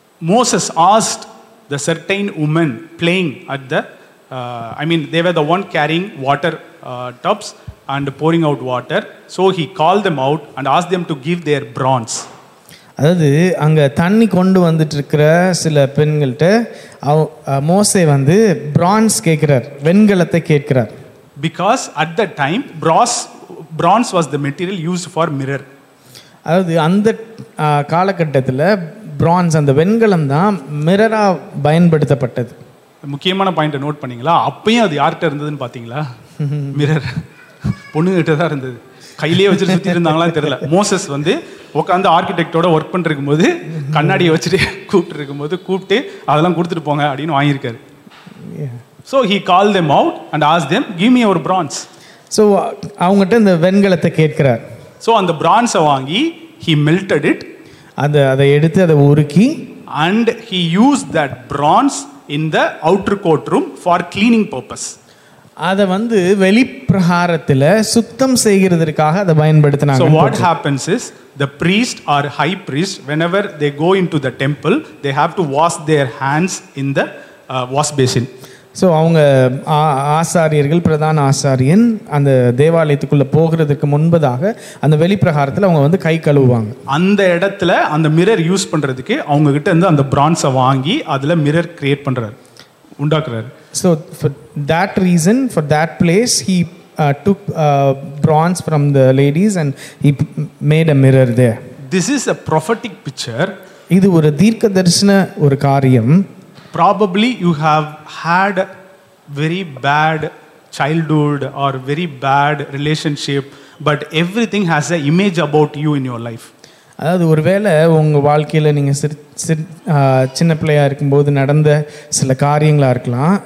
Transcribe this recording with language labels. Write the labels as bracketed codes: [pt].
[en] Moses asked the certain woman playing at the, they were the one carrying water tubs and pouring out water. So he called them out and asked them to give their bronze. [ta] அதாவது அங்கே தண்ணி கொண்டு வந்துட்டு இருக்கிற சில பெண்கள்கிட்ட அவ மோசே வந்து பிரான்ஸ் கேட்குறார், வெண்கலத்தை கேட்கிறார். [en] Because at the time bronze was the material use for mirror. [ta] அதாவது அந்த காலகட்டத்தில் பிரான்ஸ், அந்த வெண்கலம் தான் மிரராக பயன்படுத்தப்பட்டது. முக்கியமான பாயிண்ட் நோட் பண்ணீங்களா? அப்பயும் அது யார்கிட்ட இருந்ததுன்னு பார்த்தீங்களா? மிரர் பொண்ணுகிட்ட தான் இருந்தது. கையிலேயே வச்சு சுற்றி இருந்தாங்களா தெரியல. மோசஸ் வந்து உட்காந்து ஆர்கிடெக்டோட ஒர்க் பண்ணிருக்கும் போது கண்ணாடியை வச்சுட்டு கூப்பிட்டு இருக்கும் போது கூப்பிட்டு அதெல்லாம் கொடுத்துட்டு போங்க அப்படின்னு வாங்கியிருக்காரு. [en] So he call them out and ask them give me our bronze. [ta] So அவங்ககிட்ட இந்த வெண்கலத்தை கேட்கிறார். [en] so [ta] அந்த பிரான்ஸை வாங்கி [en] he melted it, [ta] அதை எடுத்து அதை உருக்கி, [en] And he use that bronze in the outer court room for cleaning purpose. [ta] அதை வந்து வெளிப்பிரகாரத்தில் சுத்தம் செய்கிறதுக்காக அதை பயன்படுத்தினாங்க. [en] So what happens is, the priest or high priest, whenever they go into the temple, they have to wash their hands in the wash basin. [ta] So அவங்க ஆசாரியர்கள், பிரதான ஆசாரியன் அந்த தேவாலயத்துக்குள்ளே போகிறதுக்கு முன்பதாக அந்த வெளிப்பிரகாரத்தில் அவங்க வந்து கை கழுவுவாங்க. அந்த இடத்துல அந்த மிரர் யூஸ் பண்ணுறதுக்கு அவங்ககிட்ட இருந்து அந்த பிரான்ஸை வாங்கி அதில் மிரர் கிரியேட் பண்ணுறாரு, உண்டாக்குறாரு. [en] So for that reason, for that place, he took bronze from the ladies and he made a mirror there. This is a prophetic picture. [ta] இது ஒரு தீர்க்கதரிசன ஒரு காரியம். [en] Probably you have had very bad childhood or very bad relationship, but everything has an image about you in your life. [ta] அதாவது ஒருவேளை உங்கள் வாழ்க்கையில் நீங்கள் சின்ன பிள்ளையாக இருக்கும்போது நடந்த சில காரியங்களாக இருக்கலாம்.